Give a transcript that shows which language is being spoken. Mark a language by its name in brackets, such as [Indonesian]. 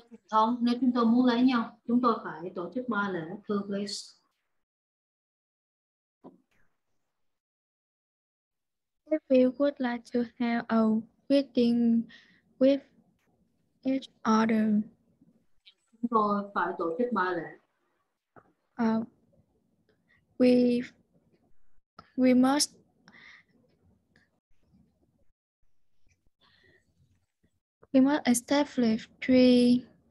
[Vietnamese] Không, nếu chúng tôi muốn lấy nhau, chúng tôi phải tổ chức ba lễ thưa grace. [English] If we would like to have a wedding with each other. [Vietnamese] Chúng tôi phải tổ chức ba lễ. [English] We must establish three